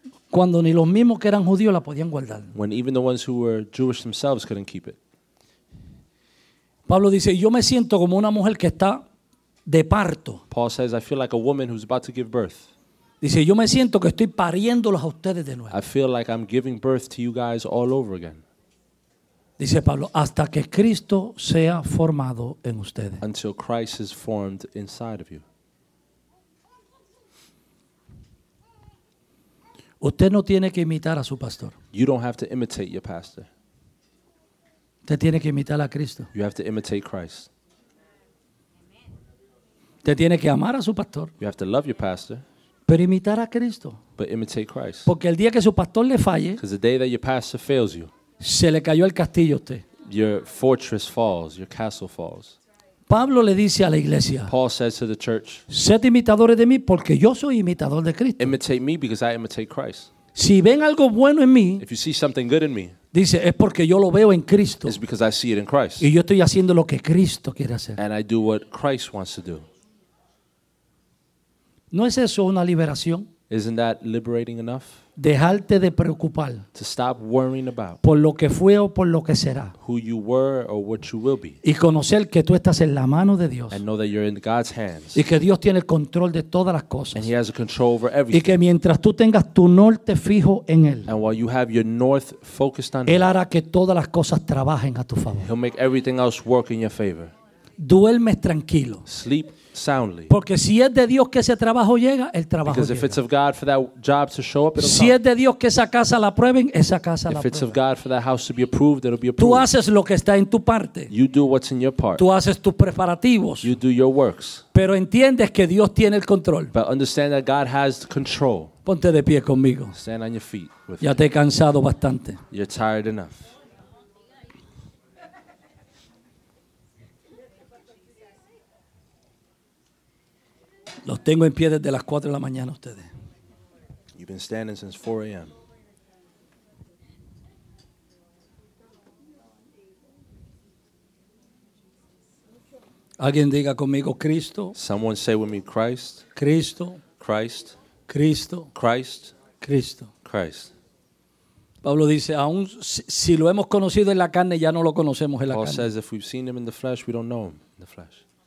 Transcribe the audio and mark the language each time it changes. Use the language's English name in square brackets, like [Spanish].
[Spanish] Cuando ni los mismos que eran judíos la podían guardar. [English] When even the ones who were Jewish themselves couldn't keep it. [Spanish] Pablo dice, yo me siento como una mujer que está de parto. [English] Paul says, I feel like a woman who's about to give birth. [Spanish] Dice, yo me siento que estoy pariéndolos a ustedes de nuevo. [English] I feel like I'm giving birth to you guys all over again. [Spanish] Dice Pablo, hasta que Cristo sea formado en ustedes. [English] Until Christ is formed inside of you. [Spanish] Usted no tiene que imitar a su pastor. [English] You don't have to imitate your pastor. [Spanish] Usted tiene que imitar a Cristo. [English] You have to imitate Christ. [Spanish] Usted tiene que amar a su pastor. [English] You have to love your pastor. [Spanish] Pero imitar a Cristo. [English] But imitate Christ. [Spanish] Porque el día que su pastor le falle. [English] Because the day that your pastor fails you. [Spanish] Se le cayó el castillo a usted. [English] Your fortress falls, your castle falls. [Spanish] Pablo le dice a la iglesia. [English] Paul says to the church. [Spanish] Sed imitadores de mí porque yo soy imitador de Cristo. [English] Imitate me because I imitate Christ. [Spanish] Si ven algo bueno en mí. [English] If you see something good in me. [Spanish] Dice, es porque yo lo veo en Cristo. [English] It's because I see it in Christ. [Spanish] Y yo estoy haciendo lo que Cristo quiere hacer. [English] And I do what Christ wants to do. [Spanish] ¿No es eso una liberación? [English] Isn't that liberating enough? [Spanish] Dejarte de preocupar. [English] To stop worrying about. [Spanish] Por lo que fue o por lo que será. [English] Who you were or what you will be. [Spanish] Y conocer que tú estás en la mano de Dios. [English] And know that you're in God's hands. [Spanish] Y que Dios tiene el control de todas las cosas. [English] And he has control over everything. [Spanish] Y que mientras tú tengas tu norte fijo en él. [English] And while you have your north focused on [Spanish] él hará que todas las cosas trabajen a tu favor. [English] He'll make everything else work in your favor. [Spanish] Duermes tranquilo. [English] Sleep soundly. [Spanish] Porque si es de Dios que ese trabajo llega, el trabajo llega. [English] Because if it's of God for that job to show up, it'll [Spanish] come. Si es de Dios que esa casa la prueben, esa casa la prueben. [English] If it's of God for that house to be approved, it'll be approved. [Spanish] Tú haces lo que está en tu parte. [English] You do what's in your part. [Spanish] Tú haces tus preparativos. [English] You do your works. [Spanish] Pero entiendes que Dios tiene el control. [English] But understand that God has the control. [Spanish] Ponte de pie conmigo. [English] Stand on your feet with [Spanish] me. Ya te he cansado bastante. [English] You're tired enough. [Spanish] Los tengo en pie desde las 4 de la mañana ustedes. [English] You've been standing since 4 a.m. [Spanish] Alguien diga conmigo Cristo. [English] Someone say with me Christ. [Spanish] Cristo. [English] Christ. [Spanish] Cristo. [English] Christ. [Spanish] Cristo. [English] Christ. [Spanish] Pablo dice, aún si lo hemos conocido en la carne, ya no lo conocemos en la [English] Paul [Spanish] carne. [English] Paul says, if we've seen him in the flesh, we don't know him in the flesh.